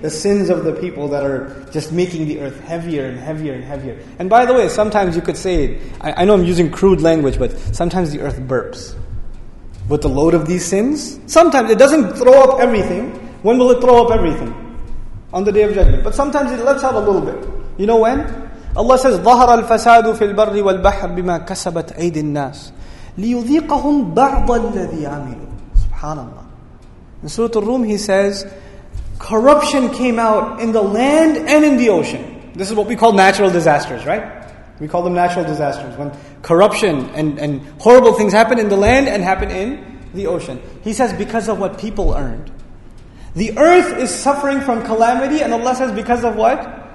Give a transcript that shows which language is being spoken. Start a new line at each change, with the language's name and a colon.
English: The sins of the people that are just making the earth heavier and heavier and heavier. And by the way, sometimes you could say, I know I'm using crude language, but sometimes the earth burps. With the load of these sins, sometimes it doesn't throw up everything. When will it throw up everything? On the Day of Judgment. But sometimes it lets out a little bit. You know when? Allah says,
Arabic: ظَهَرَ الْفَسَادُ فِي الْبَرِّ وَالْبَحْرِ بِمَا كَسَبَتْ أَيْدِ النَّاسِ لِيُذِيقَهُمْ بَعْضَ الَّذِي عَمِلُوا SubhanAllah.
English: In Surah Al-Rum he says, corruption came out in the land and in the ocean. This is what we call natural disasters, right? We call them natural disasters. When corruption and horrible things happen in the land and happen in the ocean. He says, because of what people earned. The earth is suffering from calamity and Allah says, because of what?